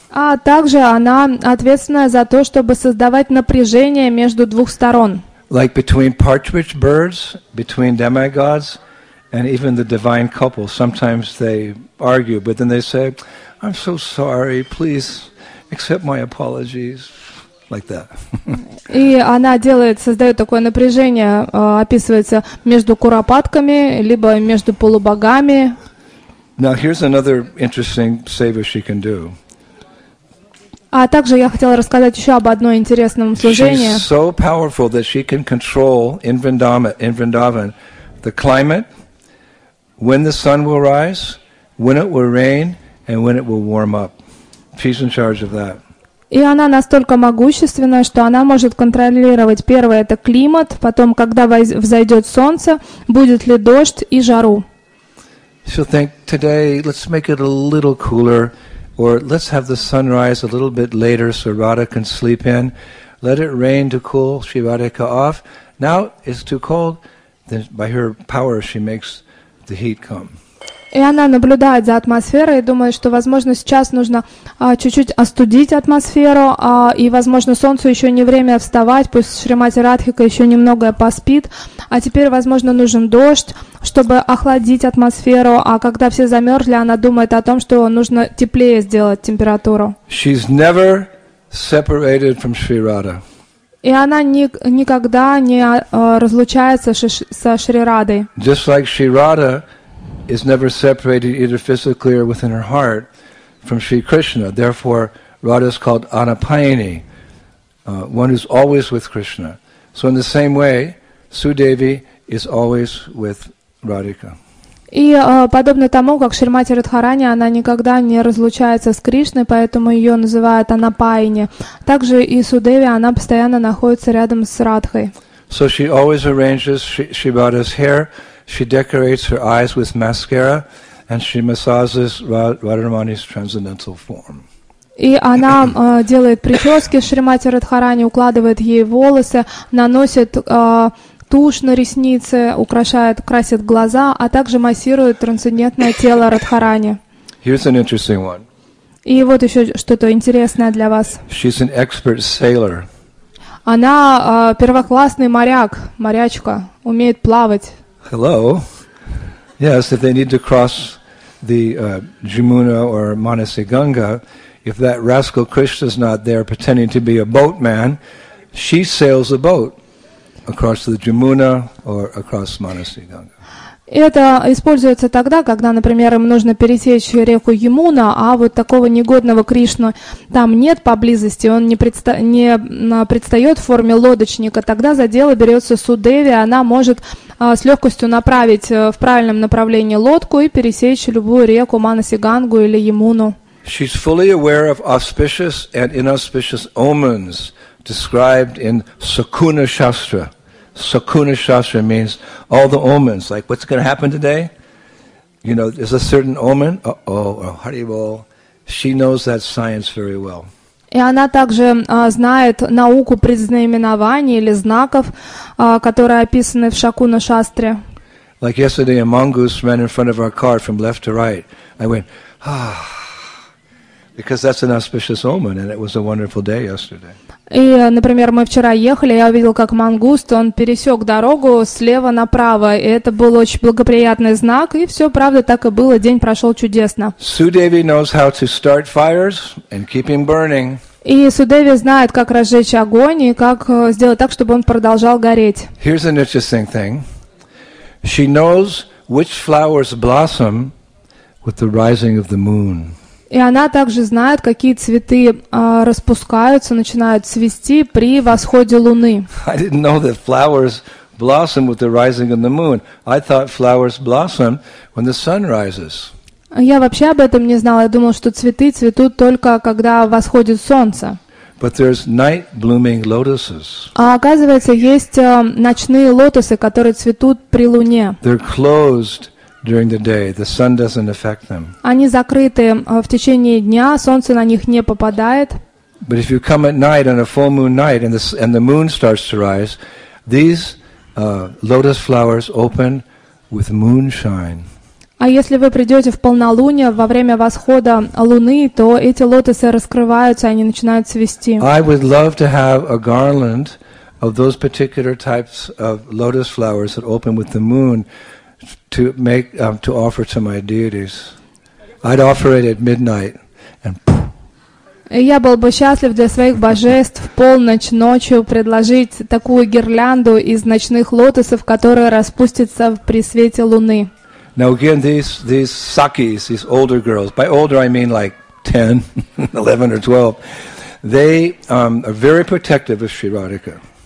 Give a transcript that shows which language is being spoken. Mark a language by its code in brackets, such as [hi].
[ru] А также она ответственная за то, чтобы создавать напряжение между двух сторон. [en] Like between partridge birds, between demigods, and even the divine couple. Sometimes they argue, but then they say, I'm so sorry, please accept my apologies, like that. [ru] И она создает такое напряжение, описывается между куропатками, либо между полубогами. [en] Now here's another interesting seva she can do. [ru] А также я хотела рассказать еще об одном интересном служении. [en] She's so powerful that she can control in Vrindavan the climate, when the sun will rise, when it will rain, and when it will warm up. She's in charge of that. [ru] И она настолько могущественна, что она может контролировать первое это климат, потом когда взойдет солнце, будет ли дождь и жару. [en] She'll think today let's make it a little cooler. Or let's have the sun rise a little bit later so Radha can sleep in. Let it rain to cool Sri Radhika off. Now it's too cold. Then by her power she makes the heat come. [ru] И она наблюдает за атмосферой и думает, что, возможно, сейчас нужно чуть-чуть остудить атмосферу, и, возможно, солнцу еще не время вставать, пусть Шримати Радхика еще немного поспит. А теперь, возможно, нужен дождь, чтобы охладить атмосферу. А когда все замерзли, она думает о том, что нужно теплее сделать температуру. [en] She's never separated from Sri Radha. [ru] И она никогда не разлучается со Шри Радой. [en] Just like Sri Radha is never separated either physically or within her heart from Sri Krishna. Therefore, Radha is called Anapayini, one who's always with Krishna. So in the same way, Sudevi is always with Radhika. [ru] И подобно тому, как Шримати Радхарани, она никогда не разлучается с Кришной, поэтому ее называют Анапайни. Также и Судеви, она постоянно находится рядом с Радхой. [en] So she always arranges Sri Radha's hair. She decorates her eyes with mascara, and she massages Radharani's transcendental form. [ru] И она делает прически Шримати Радхарани, укладывает ей волосы, наносит тушь на ресницы, украшает, красит глаза, а также массирует трансцендентное тело Радхарани. [en] Here's an interesting one. [ru] И вот еще что-то интересное для вас. [en] She's an expert sailor. [ru] Она первоклассный моряк, морячка, умеет плавать. [en] Hello. Yes, if they need to cross the Jamuna or Manasi Ganga, if that rascal Krishna's not there pretending to be a boatman, she sails a boat across the Jamuna or across Manasi Ganga. [ru] Это используется тогда, когда, например, им нужно пересечь реку Ямуна, а вот такого негодного Кришну там нет поблизости, он не предстает в форме лодочника, тогда за дело берется Судеви, она может с легкостью направить в правильном направлении лодку и пересечь любую реку Манаси-Гангу или Ямуну. [en] She's fully aware of auspicious and inauspicious omens described in Sakuna Shastra. Sakuna Shastra means all the omens, like what's going to happen today? You know, there's a certain omen, Haribol. She knows that science very well. [ru] И она также знает науку предзнаменований или знаков, которые описаны в Шакуна Шастре. [en] Like yesterday, a mongoose ran in front of our car from left to right. I went, ah, because that's an auspicious omen, and it was a wonderful day yesterday. [ru] И, например, мы вчера ехали, я увидел, как мангуст, он пересек дорогу слева направо, и это был очень благоприятный знак, и все, правда, так и было, день прошел чудесно. [en] Судеви knows how to start fires and keep him burning. [ru] И Судеви знает, как разжечь огонь и как сделать так, чтобы он продолжал гореть. [en] Here's an interesting thing. She knows which flowers blossom with the rising of the moon. [ru] И она также знает, какие цветы распускаются, начинают цвести при восходе луны. [en] I didn't know that flowers blossom with the rising of the moon. I thought flowers blossom when the sun rises. [ru] Я вообще об этом не знала. Я думала, что цветы цветут только когда восходит солнце. [en] But there's night blooming lotuses. [ru] А оказывается, есть ночные лотосы, которые цветут при луне. [en] They're closed during the day, the sun doesn't affect them. [ru] Они закрыты в течение дня, солнце на них не попадает. [en] But if you come at night on a full moon night and the moon starts to rise, these lotus flowers open with moonshine. [ru] А если вы придете в полнолуние во время восхода луны, то эти лотосы раскрываются, они начинают цвести. [en] I would love to have a garland of those particular types of lotus flowers that open with the moon. To offer to my deities, I'd offer it at midnight, and. [ru] Я был бы счастлив для своих божеств в полночь ночью предложить такую гирлянду из ночных лотосов, которая распустится при свете луны. [en] Now again, these sakis, these older girls. By older, I mean like 10, 11 or 12. They are very protective of Sri Radhika.